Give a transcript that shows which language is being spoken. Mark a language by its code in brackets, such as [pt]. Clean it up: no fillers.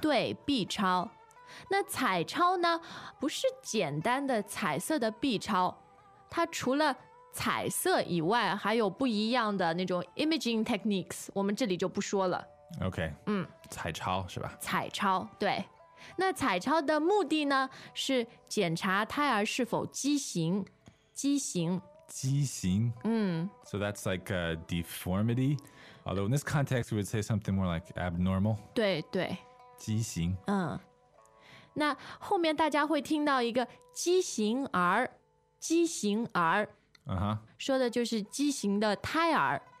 [zh] 对 ，B 超。那彩超呢？不是简单的彩色的 B 超，它除了彩色以外，还有不一样的那种 [en] imaging techniques。 [zh] 我们这里就不说了。 [en] Okay. [zh] 嗯，彩超是吧？彩超，对。那彩超的目的呢，是检查胎儿是否畸形。畸形。畸形。嗯。 [en] So that's like a deformity. Although in this context, we would say something more like abnormal. [zh] 对对。畸形。嗯。那后面大家会听到一个畸形儿。畸形儿。说的就是畸形的胎儿。